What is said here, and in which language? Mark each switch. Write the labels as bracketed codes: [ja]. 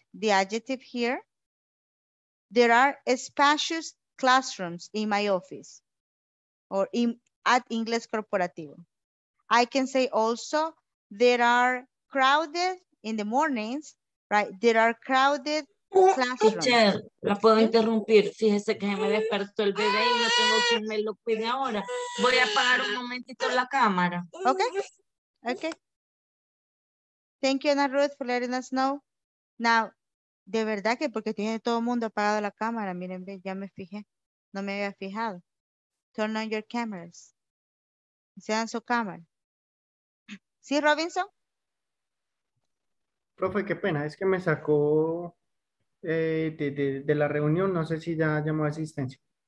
[en] The adjective here. There are spacious classrooms in my office or in at Inglés Corporativo. I can say also, there are crowded in the mornings, right? There are crowded classrooms. [es] Teacher, la puedo interrumpir. Fíjese que se me despertó el bebé y no tengo quien me lo cuide ahora. Voy a apagar un momentito la cámara. [en] Okay. Okay. Thank you, Ana Ruth, for letting us know. [es] Now, de verdad que porque tiene todo el mundo apagado la cámara, miren, ya me fijé, no me había fijado. [en] Turn on your cameras. [es] Sean su cámara. ¿Sí, Robinson? Profe, qué pena, es que me sacó de la reunión, no sé si ya llamó a asistencia.